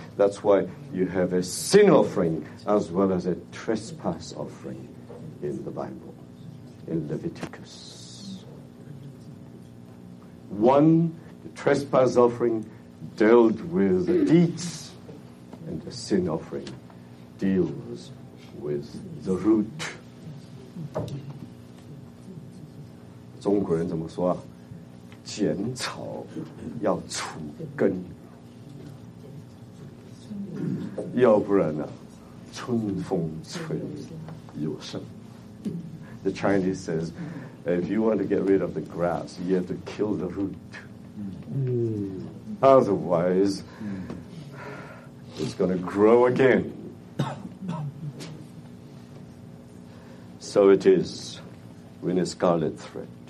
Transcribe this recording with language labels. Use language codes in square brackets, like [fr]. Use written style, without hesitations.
[en] That's why you have a sin offering as well as a trespass offering in the Bible, in Leviticus. One, the trespass offering dealt with the deeds, and the sin offering deals with the root. [zh] 中国人怎么说啊? 剪草要除根, 要不然啊, 春风吹又生。 [en] The Chinese says, if you want to get rid of the grass, you have to kill the root. Otherwise, it's going to grow again. So it is with a scarlet thread.